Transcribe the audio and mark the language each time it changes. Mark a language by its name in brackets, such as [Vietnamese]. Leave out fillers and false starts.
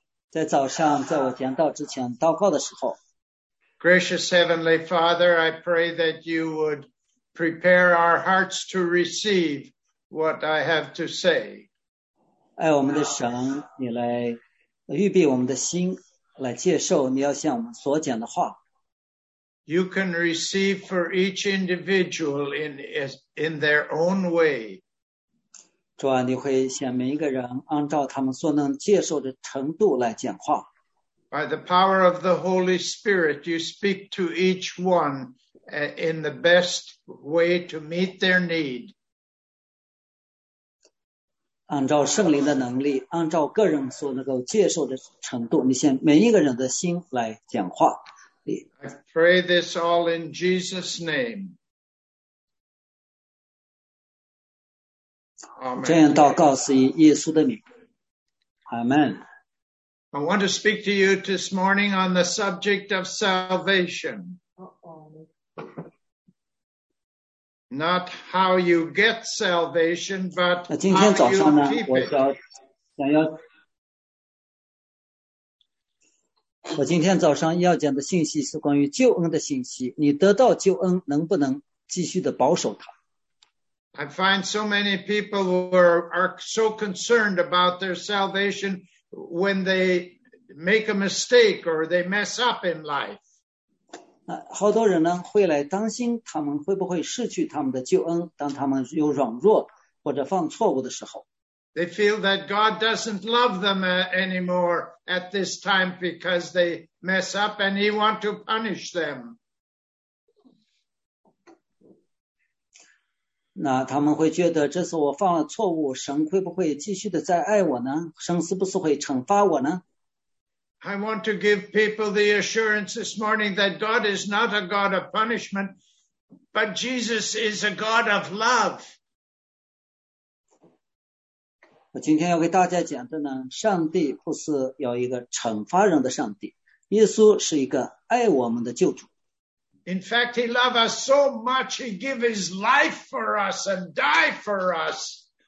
[Chinese] 在早上在我讲道之前祷告的时候。 [English] Gracious Heavenly Father, I pray that you would prepare our hearts to receive what I have to say. [Chinese] 爱我们的神，你来预备我们的心。来接受你要向我们所讲的话。 [English] You can receive for each individual in their own way. [Chinese] 主啊，你会向每一个人按照他们所能接受的程度来讲话。 [English] By the power of the Holy Spirit, you speak to each one in the best way to meet their need. [Chinese] 按照圣灵的能力，按照个人所能够接受的程度，你向每一个人的心来讲话。 [English] I pray this all in Jesus' name. [Chinese] 这样祷告是以耶稣的名。 [English] Amen. I want to speak to you this morning on the subject of salvation. Not how you get salvation, but how you keep it. [Chinese] 今天早上呢，我今天早上要讲的信息是关于救恩的信息。你得到救恩，能不能继续的保守它？ [English] I find so many people who are so concerned about their salvation when they make a mistake or they mess up in life. [Chinese] 好多人呢会来担心他们会不会失去他们的救恩，当他们有软弱或者犯错误的时候。 [English] They feel that God doesn't love them anymore at this time because they mess up and He want to punish them. [Chinese] 那他们会觉得这次我犯了错误，神会不会继续的再爱我呢？神是不是会惩罚我呢？ [English] I want to give people the assurance this morning that God is not a God of punishment, but Jesus is a God of love. [Chinese] 我今天要给大家讲的呢，上帝不是要一个惩罚人的上帝，耶稣是一个爱我们的救主。 [English] In fact, He loved us so much, He gave His life for us and died for us.